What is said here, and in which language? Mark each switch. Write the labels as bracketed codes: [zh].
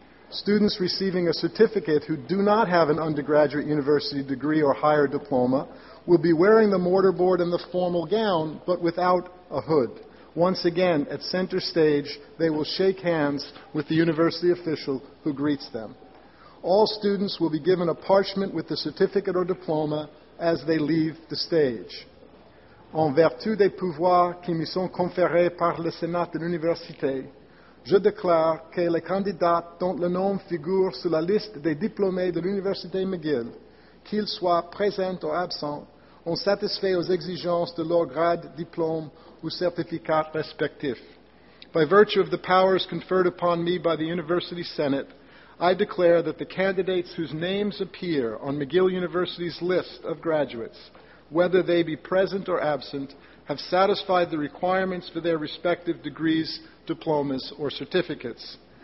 [en] Students receiving a certificate who do not have an undergraduate university degree or higher diploma will be wearing the mortarboard and the formal gown, but without a hood. Once again, at center stage, they will shake hands with the university official who greets them. All students will be given a parchment with the certificate or diploma as they leave the stage. [fr] En vertu des pouvoirs qui me sont conférés par le Sénat de l'Université, je déclare que les candidats dont le nom figure sur la liste des diplômés de l'Université McGill, qu'ils soient présents ou absents, ont satisfait aux exigences de leur grade, diplôme ou certificat respectif. [en] By virtue of the powers conferred upon me by the University Senate, I declare that the candidates whose names appear on McGill University's list of graduates, whether they be present or absent, have satisfied the requirements for their respective degrees, diplomas, or certificates.